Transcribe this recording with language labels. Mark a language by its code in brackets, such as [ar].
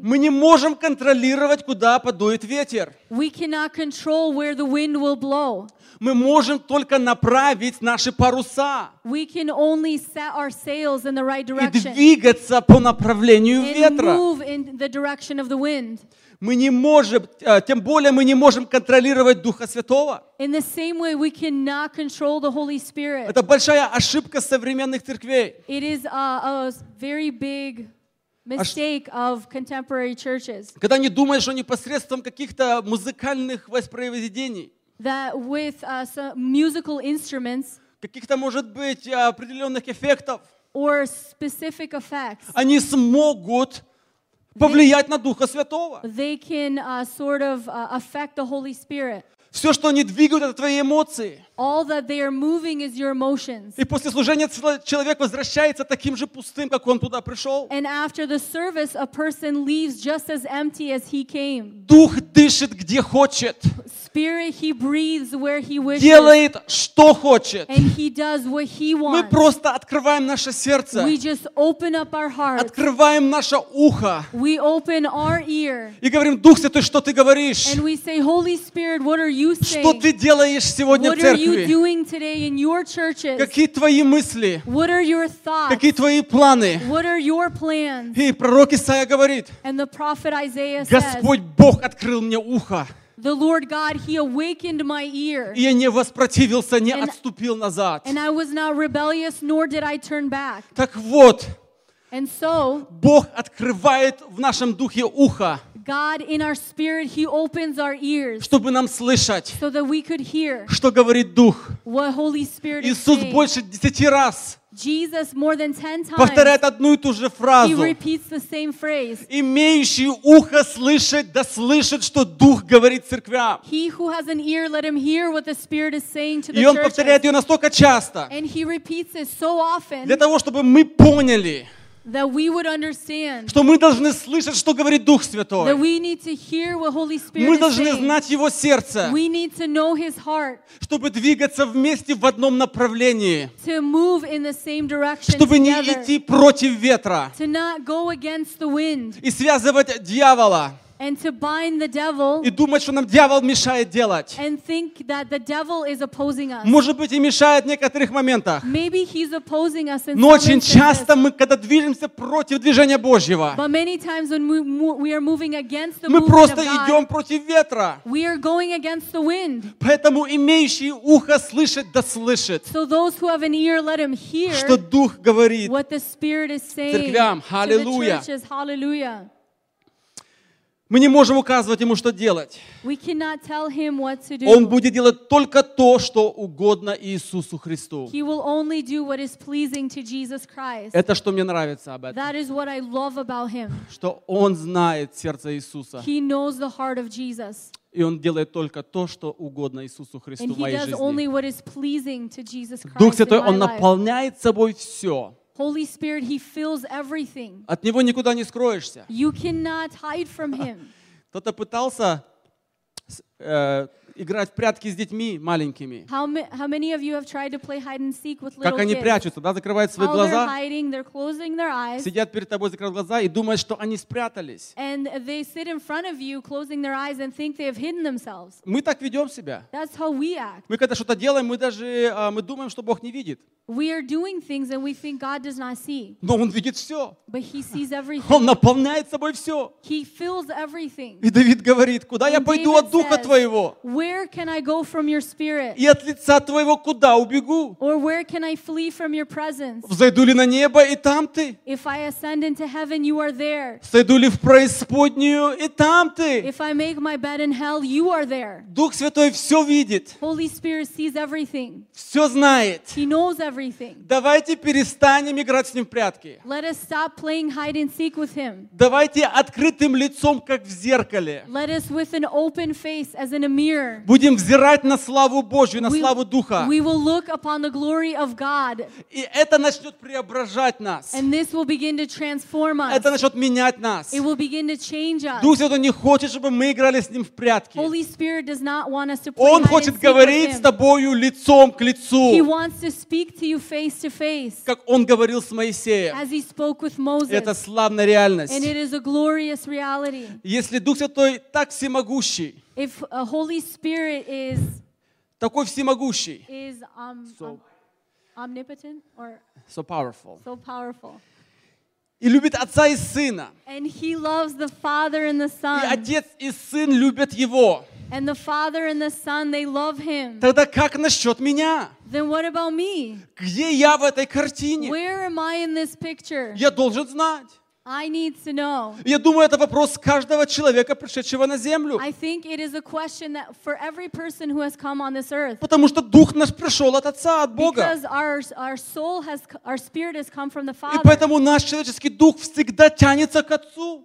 [ru] Мы не можем контролировать, куда подует ветер. [en] We cannot control where the wind will blow. [ru] Мы можем только направить наши паруса. [en] We can only set our sails in the right direction. [ru] И двигаться по направлению [en] and [ru] ветра. [en] Move in the direction of the wind. [ru] мы не можем, тем более мы не можем контролировать Духа Святого. [en] In the same way, we cannot control the Holy Spirit. [ru] Это большая ошибка современных церквей. [en] It is a very big mistake of contemporary churches. [ru] Когда они думают, что они посредством каких-то музыкальных воспроизведений. [en] That with some musical instruments. [ru] Каких-то, может быть, определенных эффектов. [en] Or specific effects. [ru] Они смогут повлиять на Духа Святого. [en] They can sort of affect the Holy Spirit. [ru] Все, что они двигают, это твои эмоции. [en] All that they are moving is your emotions. [ru] И после служения человек возвращается таким же пустым, как он туда пришел. [en] And after the service, a person leaves just as empty as he came. [ru] Дух дышит, где хочет. [en] Spirit, he breathes where he wishes. [ru] Делает, что хочет. [en] And he does what he wants. [ru] Мы просто открываем наше сердце. [en] We just open up our hearts. [ru] Открываем наше ухо. [en] We open our ear. [ru] И говорим, Дух Святой, что ты говоришь? [en] And we say, Holy Spirit, what are you saying? [ru] Что ты делаешь сегодня в церкви? [en] What are you doing today in your churches? [ru] Какие твои мысли? [en] What are your thoughts? [ru] Какие твои планы? [en] What are your plans? [ru] И пророк Исаия говорит, [en] And the prophet Isaiah says, [ru] Господь Бог открыл мне ухо. [en] The Lord God, He awakened my ear. [ru] И я не воспротивился, не отступил назад. [en] And I was not rebellious, nor did I turn back. [ru] Так вот, [en] And so, [ru] Бог открывает в нашем духе ухо. [en] God, in our spirit, He opens our ears. [ru] Чтобы нам слышать. [en] So that we could hear. [ru] Что говорит Дух. [en] What Holy Spirit is saying. [ru] Иисус больше 10 раз. [en] Jesus more than 10 times. [ru] Повторяет одну и ту же фразу. [en] He repeats the same phrase. [ru] Имеющий ухо слышать, да слышит, что Дух говорит церквям. [en] He who has an ear, let him hear what the Spirit is saying to the church. [ru] И он повторяет ее настолько часто. [en] And he repeats it so often. [ru] Для того, чтобы мы поняли. [en] That we would understand. [ru] Что мы должны слышать, что говорит Дух Святой. [en] That we need to hear what Holy Spirit [ru] мы должны знать Его сердце. [en] We need to know His heart. [ru] Чтобы двигаться вместе в одном направлении. [en] To move in the same direction [ru] чтобы [en] together. [ru] Не идти против ветра. [en] To not go against the wind. [ru] И связывать дьявола. [en] And to bind the devil. [ru] И думать, что нам дьявол мешает делать. [en] And think that the devil is opposing us. [ru] Может быть, и мешает в некоторых моментах. [en] Maybe he's opposing us in some [ru] Но очень [en] instances. [ru] Часто мы, когда движемся против движения Божьего, [en] But many times when we are moving against the [ru] мы просто [en] of God, [ru] идем против ветра. [en] We are going against the wind. [ru] Поэтому имеющий ухо слышит, да слышит. [en] So those who have an ear, let him hear [ru] что Дух говорит [en] what the Spirit is saying [ru] церквям. Аллилуйя. [en] To the churches, hallelujah. [ru] Мы не можем указывать ему, что делать. [en] We cannot tell him what to do. [ru] Он будет делать только то, что угодно Иисусу Христу. [en] He will only do what is pleasing to Jesus Christ. [ru] Это что мне нравится об этом. [en] That is what I love about him. [ru] Что он знает сердце Иисуса. [en] He knows the heart of Jesus. [ru] И он делает только то, что угодно Иисусу Христу [en] And [ru] в моей жизни. [en] Only what is pleasing to Jesus Christ [ru] Дух Святой, [en] in my [ru] он наполняет [en] life. [ru] Собой все. [en] Holy Spirit, He fills everything. [ru] От него никуда не скроешься. [en] You cannot hide from Him. [ru] Кто-то пытался играть в прятки с детьми маленькими. [en] How many of you have tried to play hide and seek with little kids? [ru] Как они прячутся, да, закрывают свои глаза. [en] How they're hiding, they're closing their eyes. [ru] Сидят перед тобой, закрывают глаза и думают, что они спрятались. [en] And they sit in front of you, closing their eyes and think they have hidden themselves. [ru] Мы так ведем себя. [en] That's how we act. [ru] Мы когда что-то делаем, мы даже мы думаем, что Бог не видит. [en] We are doing things and we think God does not see. [ru] Но Он видит все. [en] But He sees everything. [ru] Он наполняет собой все. [en] He fills everything. [ru] И Давид говорит, куда я пойду от Духа Твоего? [en] Where can I go from your spirit? [ru] И от лица Твоего куда убегу? [en] Or where can I flee from your presence? [ru] Взойду ли на небо, и там Ты? [en] If I ascend into heaven, you are there. [ru] Сойду ли в преисподнюю, и там Ты? [en] If I make my bed in hell, you are there. [ru] Дух Святой все видит. [en] Holy Spirit sees everything. [ru] Все знает. [en] He knows everything. [ru] Давайте перестанем играть с Ним в прятки. [en] Let us stop playing hide and seek with Him. [ru] Давайте открытым лицом, как в зеркале. [en] Let us with an open face as in a mirror. [ru] Будем взирать на славу Божью, на славу Духа. [en] We will look upon the glory of God. [ru] И это начнет преображать нас. [en] And this will begin to transform us. [ru] Это начнет менять нас. [en] It will begin to change us. [ru] Дух Святой не хочет, чтобы мы играли с Ним в прятки. [en] Holy Spirit does not want us to play hide and seek with Him. [ru] Он хочет говорить с тобою лицом к лицу. [en] He wants to speak to you face to face. [ru] Как Он говорил с Моисеем. [en] As He spoke with Moses. [ru] Это славная реальность. [en] And it is a glorious reality. [ru] Если Дух Святой так всемогущий, [en] If a Holy Spirit is [ru] такой всемогущий, [en] is omnipotent or so powerful. So powerful. [ru] и любит отца и сына. [en] And he loves the father and the son. [ru] И отец и сын любят его. [en] And the father and the son, they love him. [ru] Тогда как насчет меня? [en] Then what about me? [ru] Где я в этой картине? [en] Where am I in this picture? [ru] Я должен знать. [en] I need to know. [ru] Я думаю, это вопрос каждого человека, пришедшего на землю. [en] I think it is a question that for every person who has come on this earth. [ru] Потому что дух наш пришел от отца, от Бога. [en] Because our soul has, our spirit has come from the Father. [ru] И поэтому наш человеческий дух всегда тянется к отцу.